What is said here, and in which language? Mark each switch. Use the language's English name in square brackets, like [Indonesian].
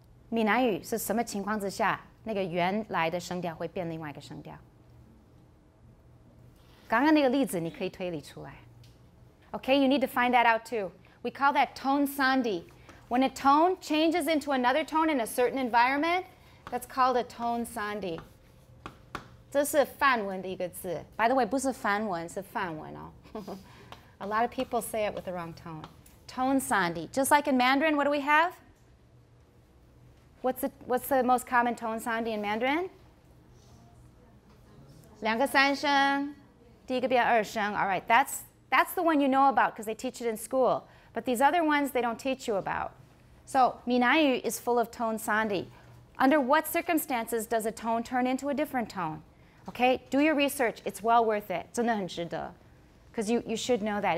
[Chinese] 闽南语是什么情况之下?那个原来的声调会变另外一个声调? 刚刚那个例子你可以推理出来. [English] Okay, you need to find that out too. We call that tone sandi. When a tone changes into another tone in a certain environment, that's called a tone sandi. [Chinese] 这是梵文的一个字. [English] By the way, [Chinese] 不是梵文, 是梵文哦. [English] A lot of people say it with the wrong tone. Tone sandi. Just like in Mandarin, what do we have? What's the most common tone sandi in Mandarin? [Chinese] 两个三声, 第一个变二声. [English] All right, that's the one you know about because they teach it in school. But these other ones, they don't teach you about. So, Minayu is full of tone sandi. Under what circumstances does a tone turn into a different tone? Okay, do your research. It's well worth it. [Chinese] 真的很值得. [English] Because you should know that.